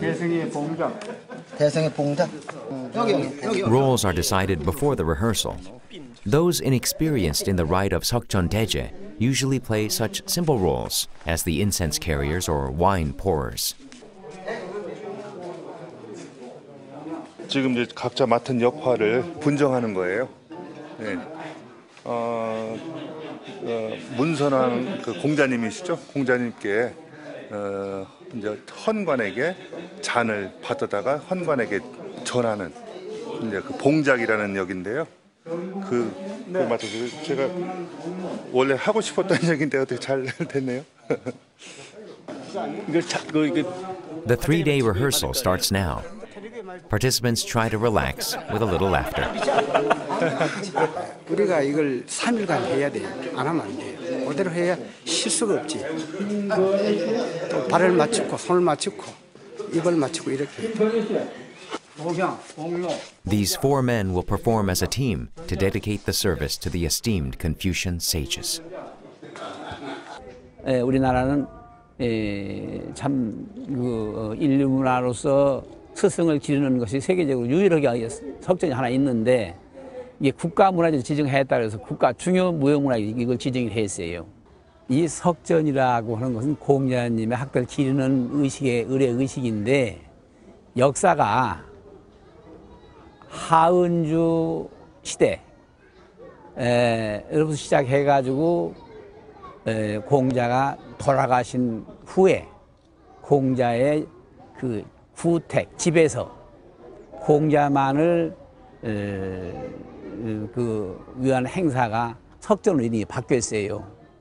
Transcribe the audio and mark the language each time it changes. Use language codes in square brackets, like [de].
[ko] 대성의 봉장, 대성의 봉장. [en] Roles are decided before the rehearsal. Those inexperienced in the rite of Seokjeon Daeje usually play such simple roles as the incense carriers or wine pourers. [ko] 지금 이제 각자 맡은 역할을 분정하는 거예요. 네. 문선화 그 공자님이시죠? 공자님께 이제 헌관에게 잔을 받아다가 헌관에게 전하는 이제 그 봉작이라는 역인데요. 그 맡아서 제가 원래 하고 싶었던 역인데 어떻게 잘 됐네요. [en] The three-day rehearsal starts now. Participants try to relax with a little laughter. [ko] 우리가 이걸 3일간 해야 돼요. 안 하면 안 돼요. 그대로 해야 실수가 없지. 또 발을 맞추고 손을 맞추고 입을 맞추고 이렇게. [en] These four men will perform as a team to dedicate the service to the esteemed Confucian sages. [ko] 우리나라는 참 인류 문화로서 스승을 기르는 것이 세계적으로 유일하게 석전이 하나 있는데 이게 국가 문화재 지정했다 그래서 국가 중요 무형 문화 이걸 지정을 했어요. 이 석전이라고 하는 것은 공자님의 학들 기르는 의식의 의례 의식인데 역사가 하은주 시대로부터 시작해가지고 공자가 돌아가신 후에 공자의 그 후택 집에서 공자만을 그 위한 행사가 석전으로 인해 바뀌었어요.